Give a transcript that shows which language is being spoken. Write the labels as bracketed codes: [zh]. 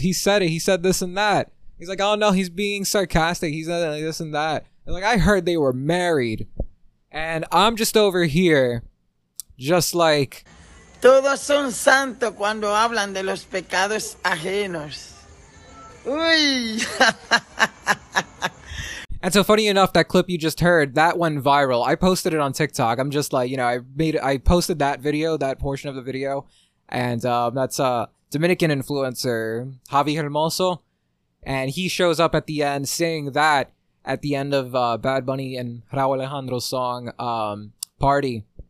[en] He said it. He said this and that. He's like, oh no, he's being sarcastic. He said this and that. And like, I heard they were married. And I'm just over here, just like, [es] todos son santos cuando hablan de los pecados ajenos. Uy. [en] And so funny enough, that clip you just heard, that went viral. I posted it on TikTok. I'm just like, you know, I posted that video, that portion of the video. And that's a Dominican influencer, Javi Hermoso. And he shows up at the end saying that at the end of Bad Bunny and Rauw Alejandro's song, Party.